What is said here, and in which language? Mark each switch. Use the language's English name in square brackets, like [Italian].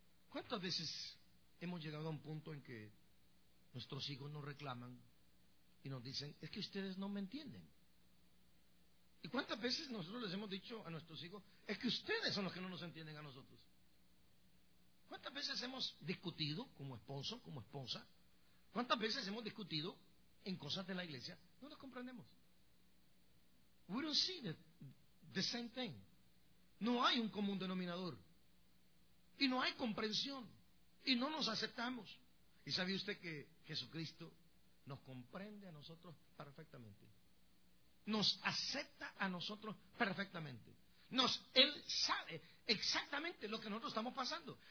[Spanish] ¿Cuántas veces hemos llegado a un punto en que nuestros hijos nos reclaman y nos dicen, es que ustedes no me entienden? ¿Y cuántas veces nosotros les hemos dicho a nuestros hijos, es que ustedes son los que no nos entienden a nosotros? ¿Cuántas veces hemos discutido como esposo, como esposa? ¿Cuántas veces hemos discutido en cosas de la iglesia? No nos comprendemos. [English] We don't see the same thing. [Spanish] No hay un común denominador. Y no hay comprensión. Y no nos aceptamos. ¿Y sabe usted que Jesucristo nos comprende a nosotros perfectamente? Nos acepta a nosotros perfectamente. Él sabe exactamente lo que nosotros estamos pasando.